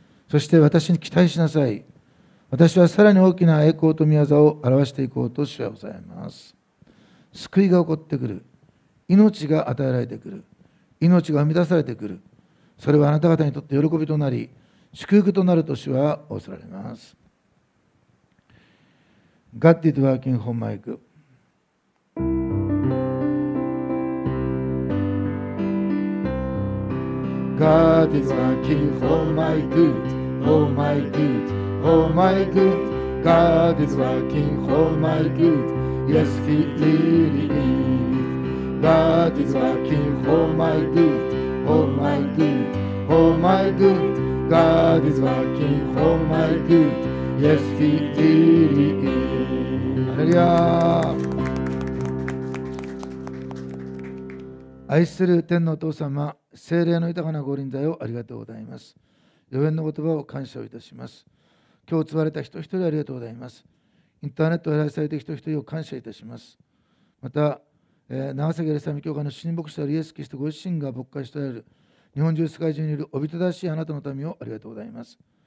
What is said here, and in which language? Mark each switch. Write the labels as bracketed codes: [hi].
[ja] そして私に期待しなさい。私はさらに大きな栄光と御業を表していこうと主は言われます。救いが起こってくる、命が与えられてくる、命が生み出されてくる、それはあなた方にとって喜びとなり祝福となると主は仰せられます。 [en] God is working for my good。 God is working for my good, oh my good, oh my good. God is working for my good, yes He really is. God is working for my good, oh my good, oh my good. God is working for my good, yes He really is. Hallelujah. [ja] 愛する天のお父様、聖霊の豊かなご臨在をありがとうございます。予言の言葉を感謝をいたします。今日集われた人一人ありがとうございます。インターネットを依頼されている人一人を感謝いたします。また、長崎レサミ教会の主任牧師であるイエス・キリストご自身が牧会しておられる日本中世界中にいるおびただしいあなたの民をありがとうございます。